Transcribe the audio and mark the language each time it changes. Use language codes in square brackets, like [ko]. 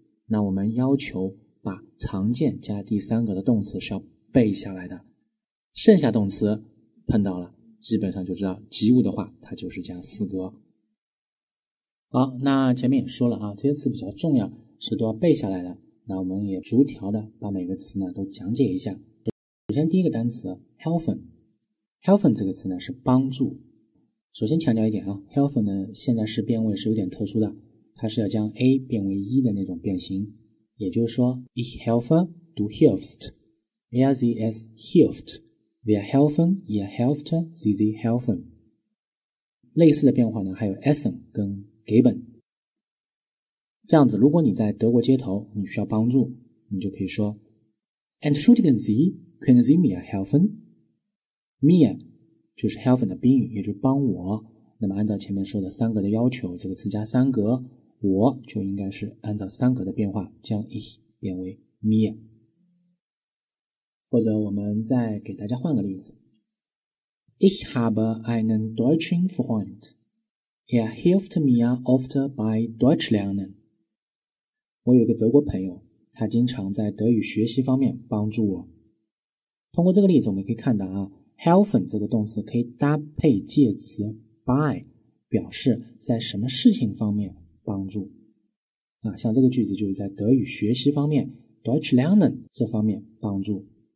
[zh] 那我们要求把常见加第三格的动词是要背下来的，剩下动词碰到了基本上就知道，及物的话它就是加四格。好，那前面也说了啊，这些词比较重要，是都要背下来的。那我们也逐条的把每个词呢都讲解一下。首先第一个单词 helfen， helfen 这个词呢是帮助。首先强调一点啊， helfen 的现在式变位是有点特殊的，它是要将 a 变为 e 的那种变形，也就是说 [de] ich helfe du hilfst， er sie es hilft， wir helfen ihr helft sie sie helfen。 [zh] 类似的变化呢还有 essen 跟geben。这样子如果你在德国街头你需要帮助，你就可以说 [de] Entschuldigen Sie, können Sie mir helfen? [zh] mir 就是 helfen 的宾语，也就是帮我。那么按照前面说的三格的要求，这个词加三格，我就应该是按照三格的变化将 ich 变为 mir。或者我们再给大家换个例子， [de] Ich habe einen deutschen Freund, er hilft mir oft bei Deutsch lernen。 [zh] 我有一个德国朋友，他经常在德语学习方面帮助我。通过这个例子我们可以看到啊， helfen 这个动词可以搭配介词 by 表示在什么事情方面帮助啊，像这个句子就是在德语学习方面 Deutsch lernen 这方面帮助。